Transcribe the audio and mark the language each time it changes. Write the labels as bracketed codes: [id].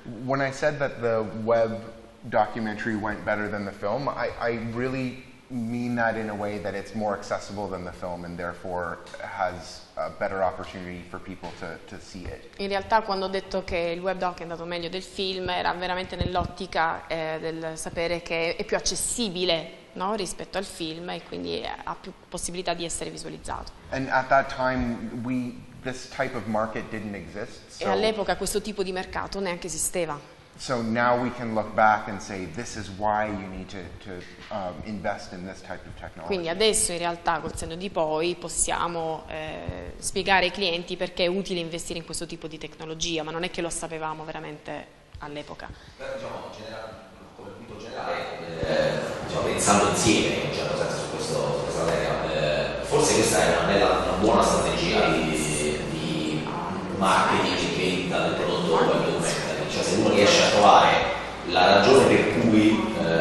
[en] When I said that the web documentary went better than the film, I really mean that in a way that it's more accessible than the film and therefore has a better opportunity for people to see it. [it] In realtà, quando ho detto che il web doc è andato meglio del film, era veramente nell'ottica del sapere che è più accessibile, no, rispetto al film e quindi ha più possibilità di essere visualizzato. [en] And at that time, this type of market didn't exist. [it] E all'epoca questo tipo di mercato neanche esisteva. [en] So now we can look back and say this is why you need to invest in this type of technology. [it] Quindi adesso in realtà col senno di poi possiamo spiegare ai clienti perché è utile investire in questo tipo di tecnologia, ma non è che lo sapevamo veramente all'epoca. Però diciamo, come punto generale, pensando insieme, cioè, su questa area, forse questa è una buona strategia di marketing che vendita del prodotto web documentary, cioè se uno riesce a trovare la ragione per cui